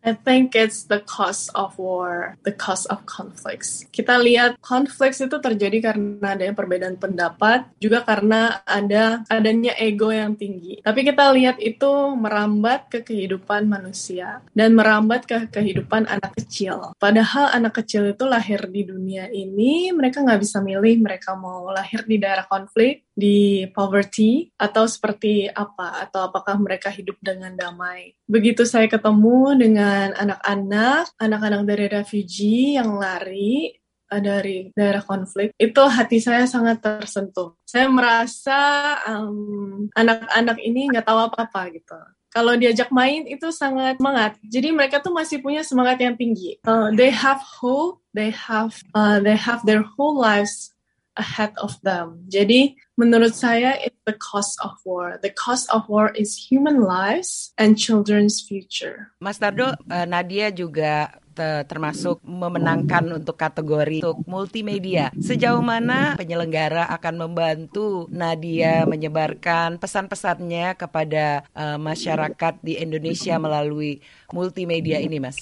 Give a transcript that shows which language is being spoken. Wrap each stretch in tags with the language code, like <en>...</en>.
<en>I think it's the cause of war, the cause of conflicts.</en> <id>Kita lihat conflicts itu terjadi karena ada perbedaan pendapat, juga karena ada adanya ego yang tinggi. Tapi kita lihat itu merambat ke kehidupan manusia dan merambat ke kehidupan anak kecil. Padahal anak kecil itu lahir di dunia ini, mereka nggak bisa milih mereka mau lahir di daerah konflik, di poverty, atau seperti apa, atau apakah mereka hidup dengan damai. Begitu saya ketemu dengan anak-anak dari refugee yang lari dari daerah konflik, itu hati saya sangat tersentuh. Saya merasa anak-anak ini nggak tahu apa-apa gitu. Kalau diajak main itu sangat semangat. Jadi mereka tuh masih punya semangat yang tinggi.</id> <en>They have hope. They have their whole lives ahead of them.</en> <id>Jadi menurut saya</id> <en>it's the cost of war. The cost of war is human lives and children's future.</en> <id>Mas Dardo, Nadia juga termasuk memenangkan untuk kategori untuk multimedia. Sejauh mana penyelenggara akan membantu Nadia menyebarkan pesan-pesannya kepada masyarakat di Indonesia melalui multimedia ini, Mas?</id>